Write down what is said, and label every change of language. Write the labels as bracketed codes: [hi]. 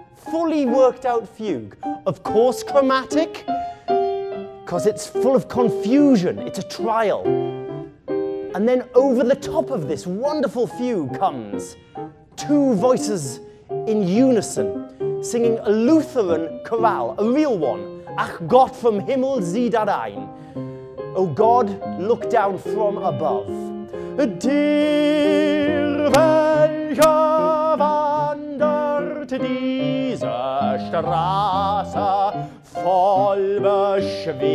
[en] Fully worked out fugue, of course chromatic, because it's full of confusion, it's a trial. And then over the top of this wonderful fugue comes two voices in unison, singing a Lutheran chorale, a real one. [de] Ach Gott vom Himmel sieh da rein. [en] O God, look down from above. [de] Dir welcher wandert diese Straße voll Beschwerde.